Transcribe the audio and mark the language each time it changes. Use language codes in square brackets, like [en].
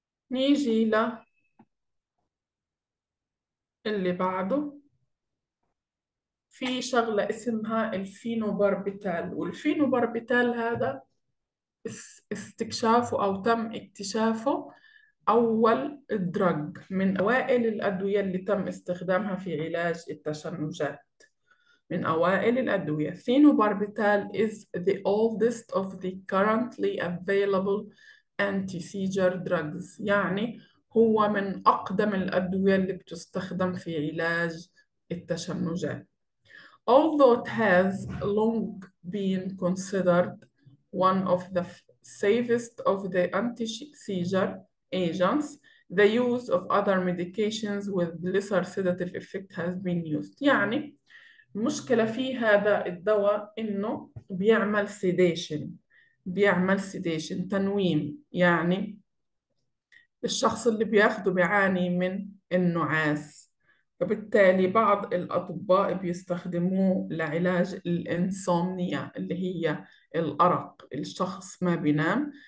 [ar] نيجي ل اللي بعده، في شغلة اسمها الفينوباربيتال، والفينوباربيتال هذا استكشافه أو تم اكتشافه أول دراج من أوائل الأدوية اللي تم استخدامها في علاج التشنجات، من أوائل الأدوية. [en] phenobarbital is the oldest of the currently available anti-seizure drugs، [ar] يعني هو من أقدم الأدوية اللي بتستخدم في علاج التشنجات. [en] Although it has long been considered one of the safest of the anti-seizure agents, the use of other medications with lesser sedative effect has been used. [ar] يعني المشكلة في هذا الدواء إنه بيعمل sedation، بيعمل سيديشن تنويم، يعني الشخص اللي بياخده بيعاني من النعاس، فبالتالي بعض الأطباء بيستخدموه لعلاج الإنسومنيا اللي هي الأرق، الشخص ما بينام.